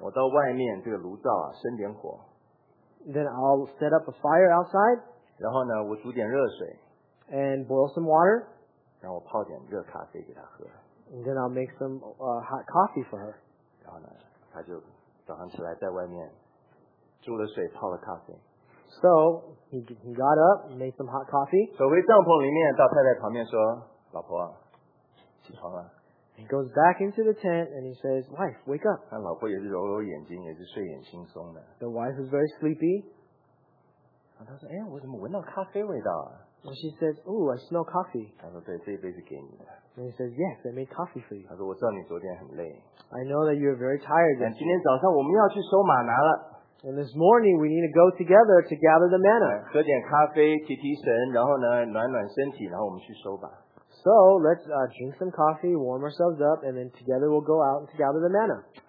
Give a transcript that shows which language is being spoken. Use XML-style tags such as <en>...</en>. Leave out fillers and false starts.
<zh>我到外面这个炉灶啊，生点火。</zh> <en>Then I'll set up a fire outside.</en> <zh>然后呢，我煮点热水。</zh> <en>And boil some water.</en> <zh>然后我泡点热咖啡给她喝。</zh> <en>And then I'll make some hot coffee for her.</en> <zh>然后呢，他就早上起来在外面煮了水，泡了咖啡。</zh> <en>So he got up, made some hot coffee.</en> <zh>走回帐篷里面，到太太旁边说：“老婆，起床了。”</zh> <en>He goes back into the tent and he says, "Wife, wake up."</en> <zh>他老婆也是揉揉眼睛，也是睡眼惺忪的。</zh> <en>The wife is very sleepy.</en> <zh>然后他说：“哎，我怎么闻到咖啡味道啊？”</zh> <en>And she says, "Oh, I smell coffee."</en> <zh>他说：“对，这一杯是给你的。”</zh> <en>And he says, "Yes, I made coffee for you."</en> <zh>他说：“我知道你昨天很累。”</zh> <en>I know that you are very tired.</en> <zh>今天早上我们要去收玛拿了。</zh> <en>And this morning we need to go together to gather the manna.</en> <zh>喝点咖啡, 提提神, 然后呢, 暖暖身体,</zh> <en>So let's drink some coffee, warm ourselves up, and then together we'll go out to gather the manna.</en>